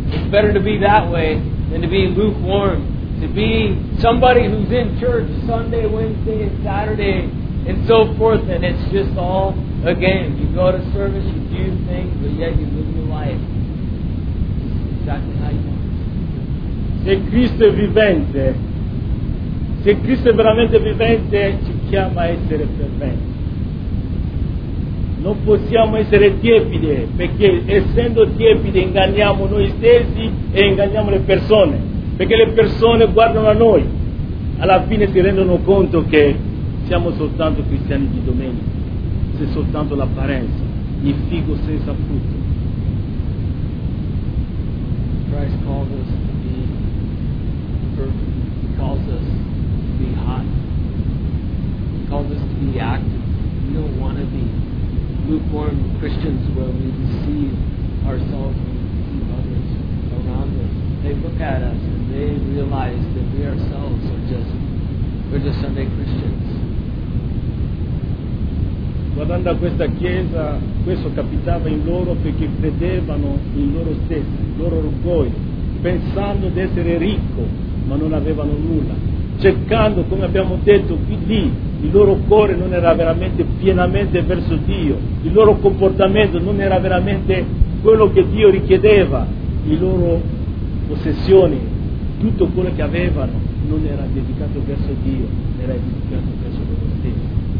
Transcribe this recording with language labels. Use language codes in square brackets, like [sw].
[en] It's better to be that way than to be lukewarm, to be somebody who's in church Sunday, Wednesday, and Saturday, and so forth, and it's just all a game. You go to service, you do things, but yet you live your life exactly how you want. [it] Se Cristo è vivente, se Cristo è veramente vivente, ci chiama a essere ferventi. Non possiamo essere tiepidi, perché essendo tiepidi inganniamo noi stessi e inganniamo le persone. Perché le persone guardano a noi, alla fine si rendono conto che siamo soltanto cristiani di domenica. C'è soltanto l'apparenza, il figo senza frutto. [en] Christ called us to be perfect. He calls us. Be hot. He calls us to be active. We don't want to be lukewarm Christians where we deceive ourselves and deceive others around us. They look at us and they realize that we ourselves are just Sunday Christians. [it] Guardando a questa chiesa, questo capitava in loro perché credevano in loro stessi, il loro orgoglio, pensando di essere ricco, ma non avevano nulla. Cercando, come abbiamo detto, lì il loro cuore non era veramente pienamente verso Dio, il loro comportamento non era veramente quello che Dio richiedeva, le loro possessioni, tutto quello che avevano non era dedicato verso Dio, era dedicato verso loro stessi.